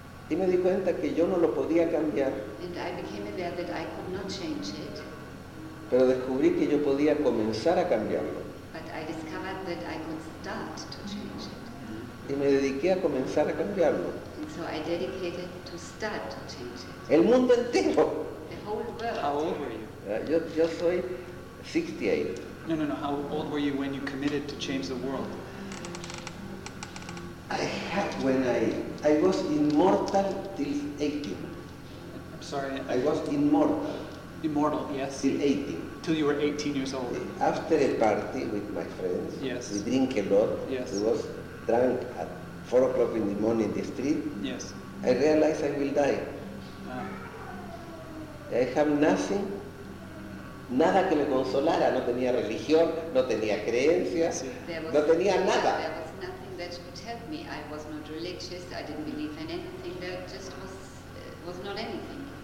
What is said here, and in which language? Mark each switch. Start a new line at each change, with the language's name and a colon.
Spanish: Y me di cuenta que yo no lo podía cambiar.
English: And I became aware that I could not change it.
Spanish: Pero descubrí que yo podía comenzar a cambiarlo.
English: But I discovered that I could start to change it.
Spanish: Y me dediqué a comenzar a cambiarlo.
English: And so I dedicated to start to change it.
Spanish: El mundo entero.
English: The whole world. How old were you?
Spanish: Yo soy 68. No, no, no.
English: How old were you when you committed to change the world? I was immortal till 18. I'm sorry. I was immortal. Immortal, yes. Till 18. Till you were 18 years old. After a party with my friends. Yes. We drink a lot. Yes. It was drunk at 4 o'clock in the morning in the street, yes. I realize I will die. I have nothing,
Spanish: nada que me consolara, no tenía religión, no tenía creencias, sí. No tenía nada.
English: There was nothing that could help me. I was not religious, I didn't believe in anything, there just was not anything.